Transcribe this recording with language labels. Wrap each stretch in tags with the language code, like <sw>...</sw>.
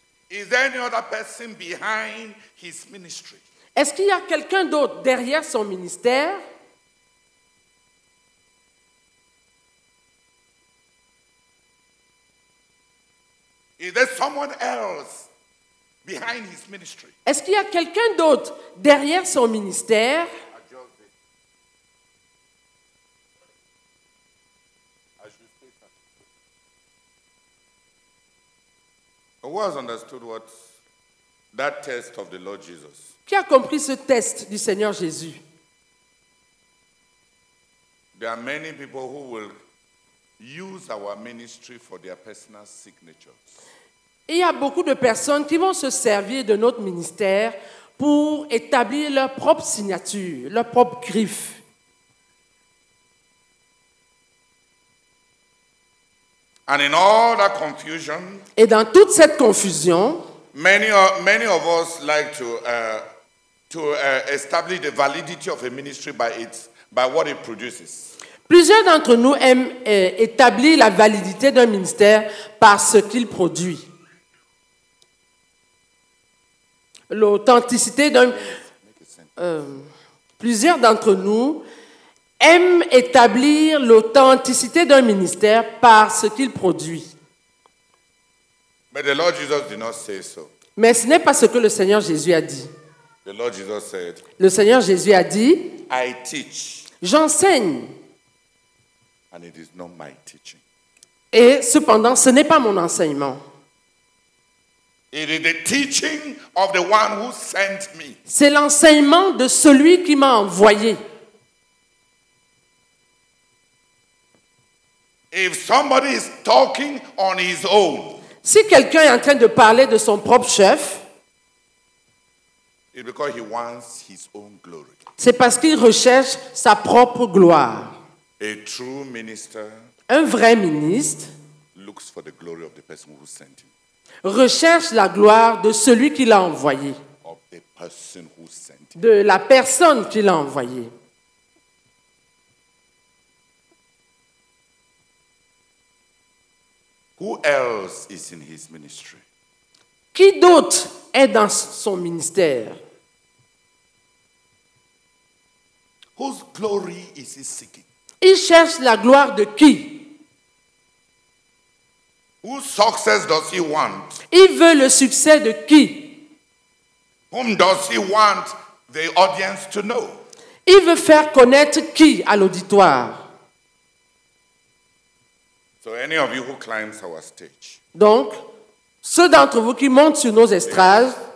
<en>Is there any other person behind his ministry?</en> <fr>Est-ce qu'il y a quelqu'un d'autre derrière son ministère?</fr> <en>Is there someone else behind his ministry?</en> <fr>Est-ce qu'il y a quelqu'un d'autre derrière son ministère?</fr> <en>Who has understood what that test of the Lord Jesus?</en> <fr>Qui a compris ce test du Seigneur Jésus?</fr> <en>There are many people who will use our ministry for their personal signatures.</en> <fr>Il y a beaucoup de personnes qui vont se servir de notre ministère pour établir leur propre signature, leur propre griffe.</fr> <en>And in all that confusion,</en> <fr>et dans toute cette confusion,</fr> <en>many of us like to establish the validity of a ministry by what it produces.</en> <fr>Plusieurs d'entre nous aiment établir la validité d'un ministère par ce qu'il produit. L'authenticité d'un plusieurs d'entre nous aime établir l'authenticité d'un ministère par ce qu'il produit.</fr> <en>But the Lord Jesus did not say so.</en> <fr>Mais ce n'est pas ce que le Seigneur Jésus a dit.</fr> <en>The Lord Jesus said,</en> <fr>le Seigneur Jésus a dit,</fr> <en>I teach,</en> <fr>j'enseigne.</fr> <en>And it is not my teaching.</en> <fr>Et cependant, ce n'est pas mon enseignement.</fr> <en>It is the teaching of the one who sent me.</en> <fr>C'est l'enseignement de celui qui m'a envoyé.</fr> <en>If somebody is talking on his own,</en> <fr>si quelqu'un est en train de parler de son propre chef,</fr> <en>it's because he wants his own glory.</en> <fr>C'est parce qu'il recherche sa propre gloire.</fr> <en>A true minister,</en> <fr>un vrai ministre,</fr> <en>looks for the glory of the person who sent him.</en> <fr>Recherche la gloire de celui qui l'a envoyé.</fr> <en>Of the person who sent him.</en> <fr>De la personne qui l'a envoyé.</fr> <en>Who else is in his ministry?</en> <fr>Qui d'autre est dans son ministère?</fr> <en>Whose glory is he seeking?</en> <fr>Il cherche la gloire de qui?</fr> <en>Whose success does he want?</en> <fr>Il veut le succès de qui?</fr> <en>Whom does he want the audience to know?</en> <fr>Il veut faire connaître qui à l'auditoire?</fr> <en>So any of you who climbs our stage.</en> <fr>Donc, ceux d'entre vous qui montent sur nos estrades.</fr>